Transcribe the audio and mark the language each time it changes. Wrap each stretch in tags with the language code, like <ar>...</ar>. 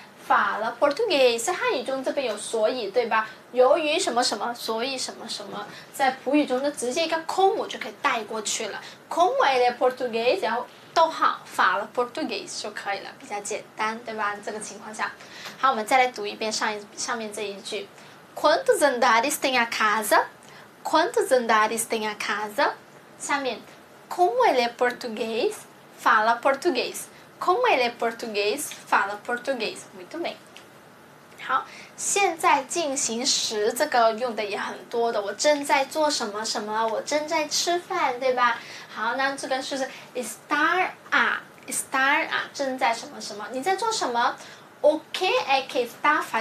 <zh>fala português 汉语中这边有所以对吧由于什么什么所以什么什么在葡语中就直接一个 como 就可以带过去了</zh> <pt>como ele português</pt> <zh>然后逗号</zh> <pt>fala português</pt> <zh>就可以了比较简单对吧这个情况下好我们再来读一遍上面这一句</zh> <pt>quantos andares tem a casa? quantos andares tem a casa? 下面 como ele é português? fala português como ele é português? fala português muito bem</pt> <zh>好现在进行时这个用的也很多的我正在做什么什么我正在吃饭对吧好那这个是不是 está a 正在什么什么你在做什么</zh> <pt>o que é que está</pt>